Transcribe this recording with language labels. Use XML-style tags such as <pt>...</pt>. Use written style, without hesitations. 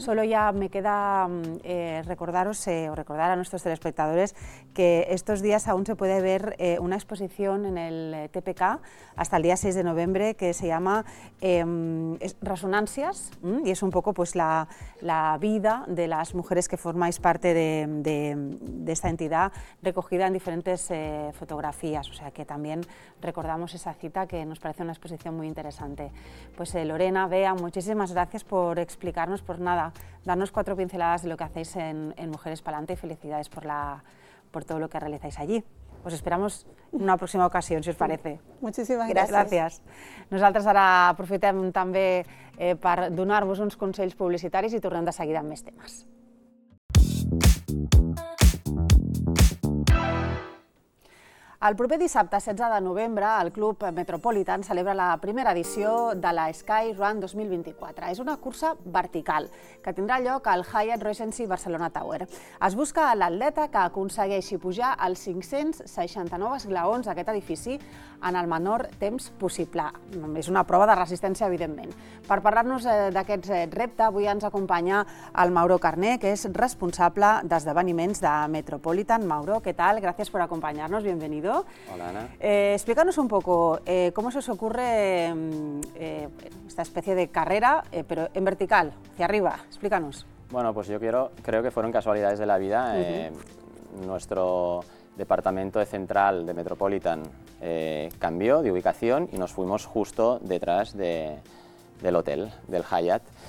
<es>Solo ya me queda recordaros o recordar a nuestros telespectadores que estos días aún se puede ver una exposición en el TPK hasta el día 6 de noviembre que se llama Resonancias, y es un poco pues la vida de las mujeres que formáis parte de esta entidad, recogida en diferentes fotografías, o sea que también recordamos esa cita que nos parece una exposición muy interesante. Pues Lorena, Bea, muchísimas gracias por explicarnos, por nada, darnos cuatro pinceladas de lo que hacéis en Mujeres Pa'lante, y felicidades por todo lo que realizáis allí. Os esperamos en una próxima ocasión, si os parece. Muchísimas gracias. Gracias.</es> <ca>Nosaltres ara aprofitem també per donar-vos uns consells publicitaris i tornem de seguida amb més temes. El proper dissabte, 16 de novembre, el Club Metropolitan celebra la primera edició de la Sky Run 2024. És una cursa vertical que tindrà lloc al Hyatt Regency Barcelona Tower. Es busca l'atleta que aconsegueixi pujar els 569 esglaons d'aquest edifici en el menor temps possible. És una prova de resistència, evidentment. Per parlar-nos d'aquest repte, avui ens acompanya el Mauro Carné, que és responsable d'esdeveniments de Metropolitan. Mauro, què tal? Gràcies per acompanyar-nos.</ca> <es>Bienvenido. Hola, Ana. Explícanos un poco cómo se os ocurre esta especie de carrera, pero en vertical, hacia arriba. Explícanos. Bueno, pues yo creo que fueron casualidades de la vida. Uh-huh. Nuestro departamento central de Metropolitan cambió de ubicación y nos fuimos justo detrás del hotel, del Hyatt.</es>